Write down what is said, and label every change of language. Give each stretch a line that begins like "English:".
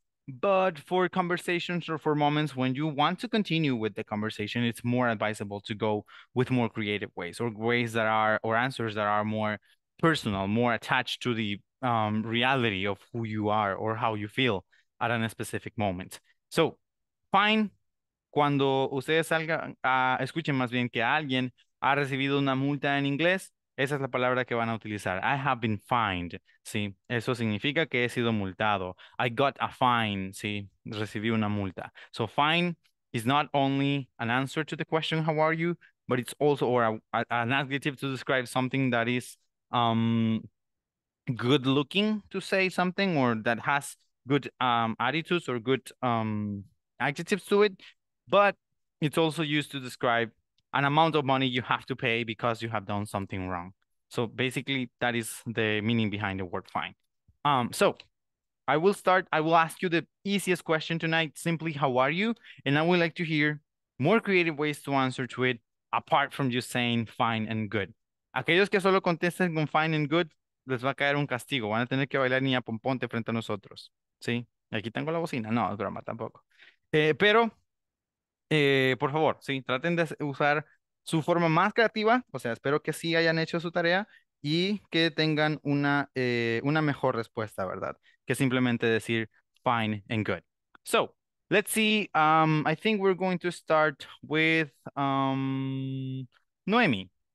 English: But for conversations or for moments when you want to continue with the conversation, it's more advisable to go with more creative ways or ways that are or answers that are more personal, more attached to the reality of who you are or how you feel at a specific moment. So, fine.
Spanish: Cuando ustedes salgan, escuchen más bien que alguien ha recibido una multa en inglés, esa es la palabra que van a utilizar.
English: I have been fined.
Spanish: Sí, eso significa que he sido multado.
English: I got a fine.
Spanish: Sí, recibí una multa.
English: So fine is not only an answer to the question, how are you, but it's also or an adjective to describe something that is good looking to say something or that has good attitudes or good adjectives to it. But it's also used to describe an amount of money you have to pay because you have done something wrong. So basically, that is the meaning behind the word fine. So I will start. I will ask you the easiest question tonight, simply, how are you? And I would like to hear more creative ways to answer to it, apart from just saying fine and good.
Spanish: Aquellos que solo contesten con
English: fine and good,
Spanish: les va a caer un castigo. Van a tener que bailar niña pomponte frente a nosotros. ¿Sí? Aquí tengo la bocina. No, es broma, tampoco. Pero... por favor, sí, traten de usar su forma más creativa, o sea, espero que sí hayan hecho su tarea y que tengan una mejor respuesta, ¿verdad? Que simplemente decir
English: fine and good. So, let's see, I think we're going to start with Noemi.